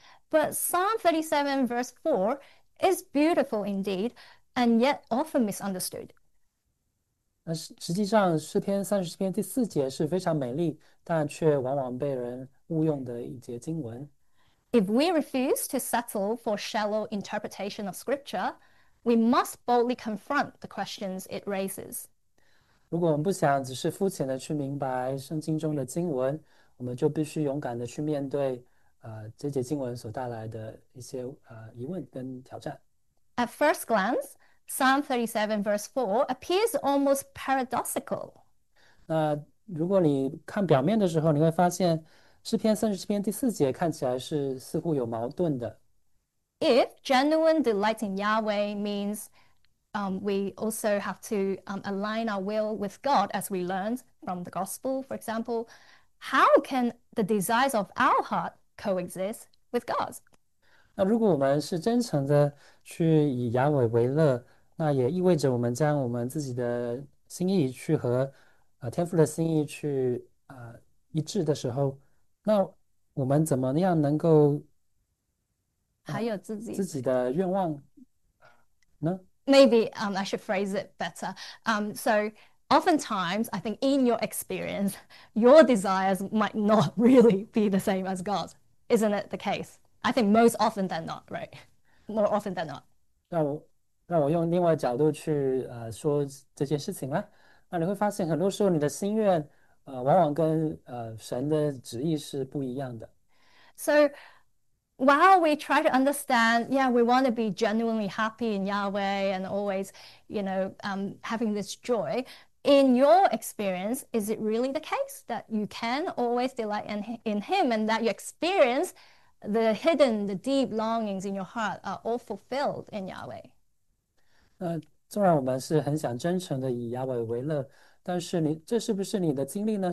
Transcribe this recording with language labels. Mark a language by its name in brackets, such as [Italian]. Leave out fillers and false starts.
[English] But Psalm 37, verse 4 is beautiful indeed, and yet often misunderstood. [Chinese] 那实际上，诗篇30篇第四节是非常美丽，但却往往被人误用的一节经文。 [English] If we refuse to settle for shallow interpretation of scripture, we must boldly confront the questions it raises. [Chinese] 如果我们不想只是肤浅的去明白圣经中的经文，我们就必须勇敢的去面对，这节经文所带来的一些疑问跟挑战。 [English] At first glance, Psalm 37, verse 4 appears almost paradoxical. [Chinese] 那如果你看表面的时候，你会发现诗篇30篇第四节看起来是似乎有矛盾的。 [English] If genuine delight in Yahweh means we also have to align our will with God, as we learned from the gospel, for example, how can the desires of our heart coexist with God's? [Chinese] 那如果我们是真诚的去以亚伟为乐，那也意味着我们将我们自己的心意去和天父的心意去一致的时候，那我们怎么样能够还有自自己的愿望呢？ [English] ，maybe I should phrase it better. So oftentimes, I think in your experience, your desires might not really be the same as God. Isn't it the case? I think most often than not, right? More often than not. [Chinese] 让我用另外角度去说这件事情啦。那你会发现，很多时候你的心愿，往往跟神的旨意是不一样的。 [English] So, while we try to understand, yeah, we want to be genuinely happy in Yahweh and always, having this joy, in your experience, is it really the case that you can always delight in Him and that you experience the hidden, the deep longings in your heart are all fulfilled in Yahweh? [Chinese] 那纵然我们是很想真诚的以亚伟为乐，但是这是不是你的经历呢？